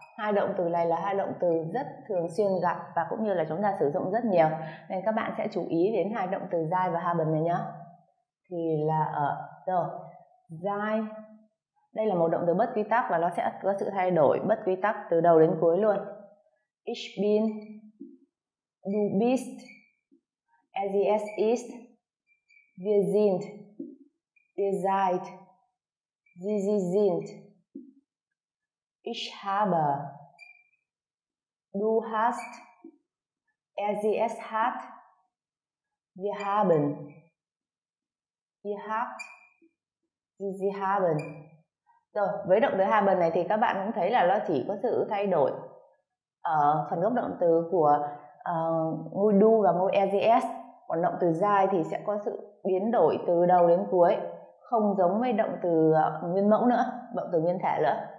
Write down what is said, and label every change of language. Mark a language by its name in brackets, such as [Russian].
[Vietnamese] Hai động từ này là hai động từ rất thường xuyên gặp và cũng như là chúng ta sử dụng rất nhiều, nên các bạn sẽ chú ý đến hai động từ sein và haben này nhé. Thì là ở. Rồi, sein đây là một động từ bất quy tắc và nó sẽ có sự thay đổi bất quy tắc từ đầu đến cuối luôn. [German] Ich bin, du bist, ergs ist, wir sind, ihr seid, sie sind. Ich habe, du hast, ergs hat, wir haben, ihr habt, sie haben. [Vietnamese] Rồi, với động từ haben này thì các bạn cũng thấy là nó chỉ có sự thay đổi ở phần gốc động từ của ngôi du và ngôi ergs. Còn động từ sein thì sẽ có sự biến đổi từ đầu đến cuối, không giống với động từ nguyên mẫu nữa, động từ nguyên thể nữa.